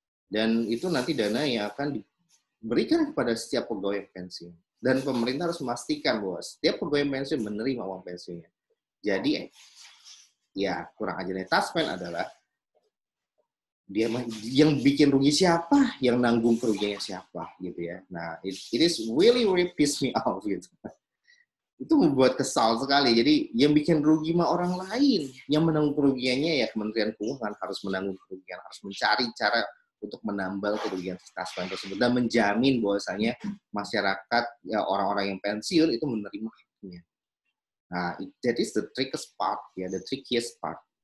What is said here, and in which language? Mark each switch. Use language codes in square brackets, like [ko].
[id] Dan itu nanti dana yang akan diberikan kepada setiap pegawai pensiun. Dan pemerintah harus memastikan bahwa setiap pegawai pensiun menerima uang pensiunnya. Jadi, ya kurang ajarnya taspen adalah dia yang bikin rugi siapa, yang nanggung kerugiannya siapa, gitu ya. [en] Nah, it is really, really piss me off, gitu. [id] Itu membuat kesal sekali. Jadi yang bikin rugi mah orang lain. Yang menanggung kerugiannya ya Kementerian Keuangan harus menanggung kerugian, harus mencari cara untuk menambal kerugian taspen tersebut dan menjamin bahwasanya masyarakat ya orang-orang yang pensiun itu menerima haknya. [en] Nah, that is the trickiest part ya, the trickiest part.